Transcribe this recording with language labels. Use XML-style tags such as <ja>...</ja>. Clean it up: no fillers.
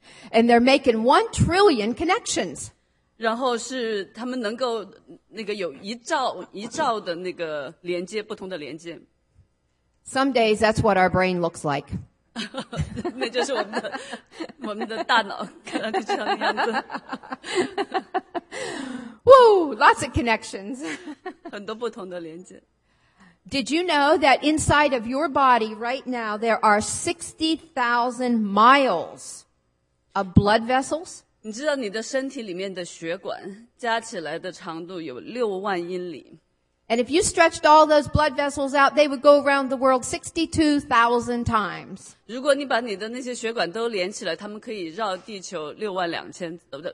<en>And they're making 1 trillion connections.</en> <zh>然后是他们能够那个有一兆的那个连接，不同的连接。</zh> <en>Some days that's what our brain looks like.</en> <zh>那就是我们的大脑，看上去像这样子。</zh> <en>Woo, lots of connections.</en> <zh>很多不同的连接。</zh> <en>Did you know that inside of your body right now there are 60,000 miles? Of blood vessels?</en> <zh>你知道你的身体里面的血管加起来的长度有6万英里。</zh> <en>And if you stretched all those blood vessels out, they would go around the world 62,000 times.</en> <zh>如果你把你的那些血管都连起来，他们可以绕地球六万两千次。</zh>